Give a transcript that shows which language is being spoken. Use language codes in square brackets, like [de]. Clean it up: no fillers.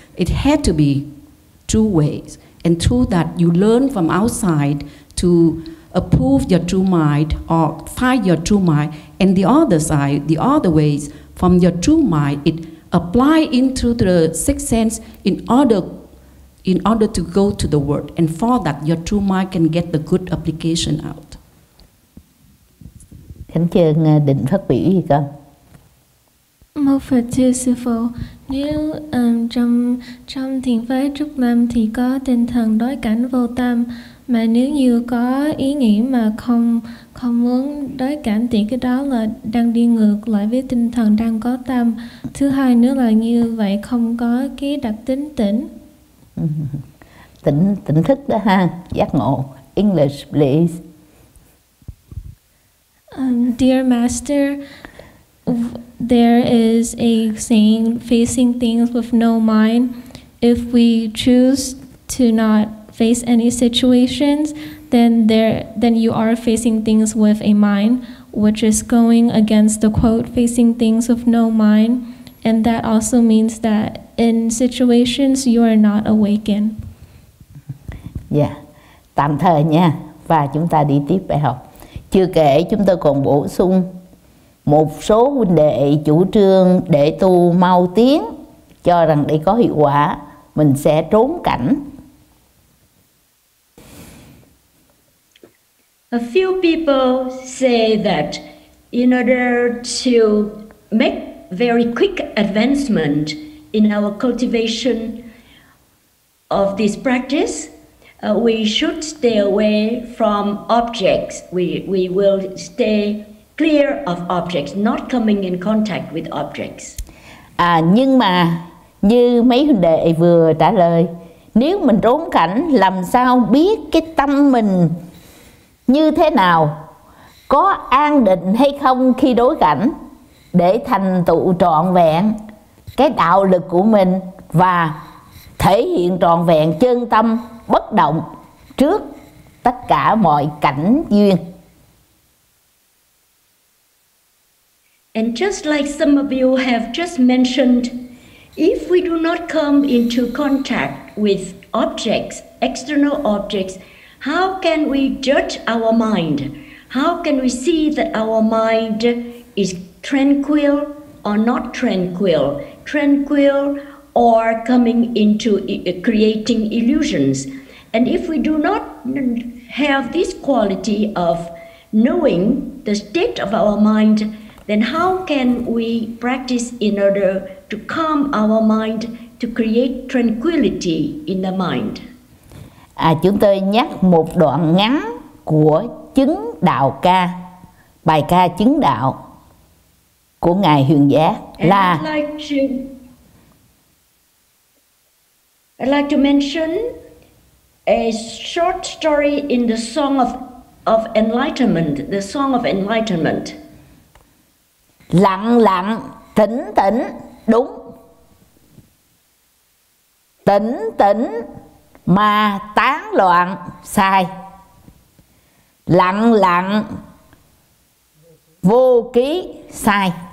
[en] It had to be two ways. And through that, you learn from outside to approve your true mind or find your true mind. And the other side, the other ways, from your true mind, it apply into the sixth sense in order to go to the world. And for that, your true mind can get the good application out. [vi] Thánh Trương định phát biểu gì không? Mô Phật, thưa Sư Phụ, nếu trong thiền phái Trúc Lâm thì có tinh thần đối cảnh vô tâm, mà nếu như có ý nghĩ mà không muốn đối cảnh thì cái đó là đang đi ngược lại với tinh thần đang có tâm. Thứ hai nữa là như vậy không có cái đặc tính tỉnh. Tỉnh thức đó ha, giác ngộ. [en] English, please. Dear Master, there is a saying, facing things with no mind. If we choose to not face any situations, then you are facing things with a mind, which is going against the quote, facing things with no mind. And that also means that in situations, you are not awakened. [vi] Yeah, tạm thời nha, và chúng ta đi tiếp bài học. Chưa kể chúng tôi còn bổ sung một số huynh đệ chủ trương để tu mau tiến, cho rằng để có hiệu quả, mình sẽ trốn cảnh. [en] A few people say that in order to make very quick advancement in our cultivation of this practice, we should stay away from objects. We will stay clear of objects, not coming in contact with objects. [vi] Nhưng mà như mấy huynh đệ vừa trả lời, nếu mình trốn cảnh làm sao biết cái tâm mình như thế nào, có an định hay không khi đối cảnh? để thành tựu trọn vẹn cái đạo lực của mình và thể hiện trọn vẹn chân tâm bất động trước tất cả mọi cảnh duyên. [en] And just like some of you have just mentioned, if we do not come into contact with objects, external objects, how can we judge our mind? How can we see that our mind is tranquil or not tranquil? Tranquil or coming into creating illusions? And if we do not have this quality of knowing the state of our mind, then how can we practice in order to calm our mind, to create tranquility in the mind? [vi] À, chúng tôi nhắc một đoạn ngắn của chứng đạo ca, bài ca chứng đạo của Ngài Huyền Giác là... [en] I'd like to mention a short story in the Song of Enlightenment, the Song of Enlightenment. [vi] Lặng lặng, tỉnh tỉnh, đúng. Tỉnh tỉnh mà tán loạn, sai. Lặng lặng, vô ký, sai.